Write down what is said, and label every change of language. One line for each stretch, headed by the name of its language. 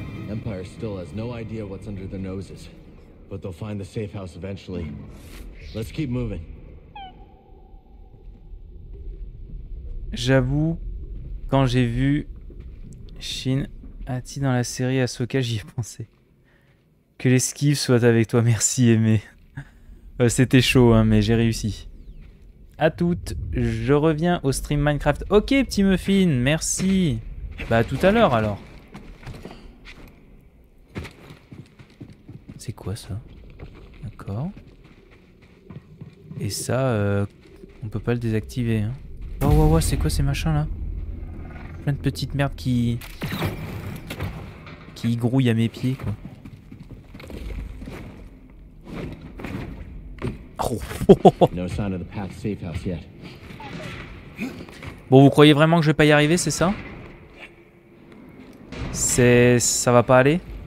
French: Empire still has no idea what's under their noses, but they'll find the safe house eventually. Let's keep moving. J'avoue, quand j'ai vu Shin Hati dans la série Ahsoka, j'y ai pensé. Que l'esquive soit avec toi, merci aimé. C'était chaud, hein, mais j'ai réussi. À toutes, je reviens au stream Minecraft. Ok, petit muffin, merci. Bah, à tout à l'heure alors. C'est quoi ça? D'accord. Et ça, on peut pas le désactiver. Hein. Oh, oh, oh, c'est quoi ces machins là? Plein de petites merdes qui grouillent à mes pieds, quoi.
English: No sign of the path safe house yet.
French: Bon, vous croyez vraiment que je vais pas y arriver, c'est ça? C'est... Ça va pas aller?